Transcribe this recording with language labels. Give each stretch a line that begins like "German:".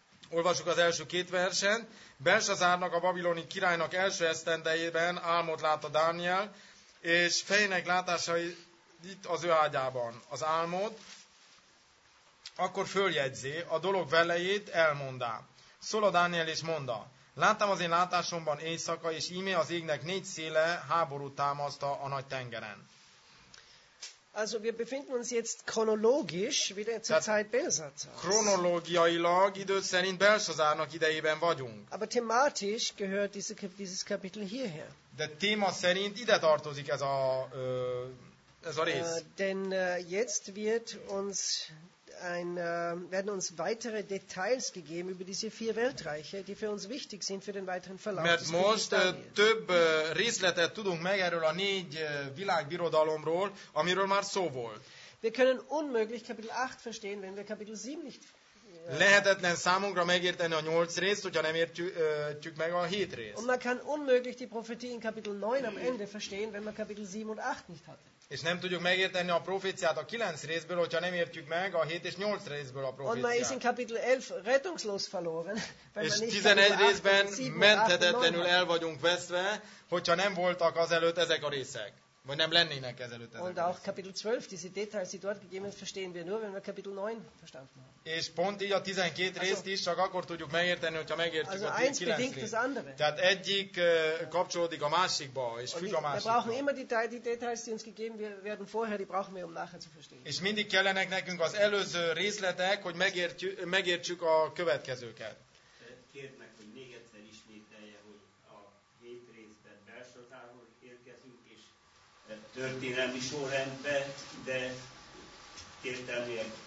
Hungarian: Olvassuk az első két versen. Belsazárnak, a babiloni királynak első esztendejében álmot lát a Dániel, és fejének látása itt az ő ágyában az álmot, akkor följegyzi a dolog velejét, elmondá. Szól a Dániel és mondta. Láttam az én látásomban éjszaka, és íme az égnek négy széle háború támaszta a nagy tengeren.
German: Also wir befinden uns jetzt chronologisch wieder zur Zeit Belsazars.
Hungarian: Chronológiailag idő szerint Belsazárnak idejében vagyunk.
German: Aber thematisch gehört dieses Kapitel hierher.
Hungarian: De téma szerint ide tartozik ez a rész.
German: Denn jetzt wird uns werden uns weitere Details gegeben über diese vier Weltreiche, die für uns wichtig sind für den weiteren Verlauf.
Hungarian: Mert most több részletet tudunk meg erről a négy világbirodalomról, amiről már szó volt.
German: Wir können unmöglich Kapitel 8 verstehen, wenn wir Kapitel 7 nicht.
Hungarian: Lehetetlen számunkra megérteni a 8 részt, hogyha nem értjük meg a 7 részt.
German: Und man kann unmöglich die Prophetie in Kapitel 9 am Ende verstehen, wenn man Kapitel 7 und 8 nicht hatte.
Hungarian: És nem tudjuk megérteni a proféciát a 9 részből, hogyha nem értjük meg a 7 és 8 részből a proféciát.
German: Und man ist in Kapitel 11 rettungslos verloren,
Hungarian: és 11 részben menthetetlenül el vagyunk veszve, hogyha nem voltak azelőtt ezek a részek. Vagy nem lennének ezelőtt ezek.
German: Und auch Kapitel 12, diese Details, die dort gegeben sind, verstehen wir nur, wenn wir Kapitel 9 verstanden haben.
Hungarian: És pont így a 12 részt is csak akkor tudjuk megérteni, hogyha megértjük a 9 részt. Tehát egyik kapcsolódik a másikba, és függ a másikba.
German: Wir brauchen immer die Details, die uns gegeben werden vorher, die brauchen wir, um nachher zu verstehen.
Hungarian: És mindig kellenek nekünk az előző részletek, hogy megértsük a következőket. Kérnek, hogy még egyszer ismételje, hogy a 7 részben Belsazárhoz érkezünk, és történelmi sorrendben, de értelműen.